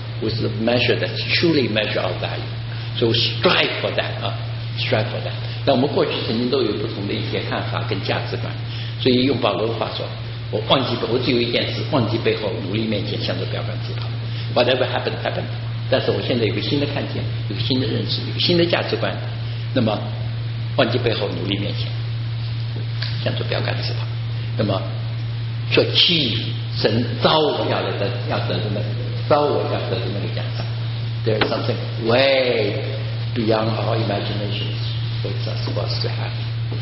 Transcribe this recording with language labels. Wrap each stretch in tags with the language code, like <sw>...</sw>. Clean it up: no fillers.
<en>with the measure that's truly measure of value. So strive for that, strive for that.</en> <zh>那我们过去曾经都有不同的一些看法跟价值观，所以用保罗的话说，我忘记背后，我只有一件事，忘记背后，努力面前，向着标杆直跑。</zh> <en>Whatever happened, happened.</en> <zh>但是我现在有个新的看见，有个新的认识，有个新的价值观。那么，忘记背后，努力面前，向着标杆直跑。那么，做气神招我要的，要得的那，招我要得的那个奖赏。</zh> <en>There is something way beyond our imaginations, which is supposed to happen.</en>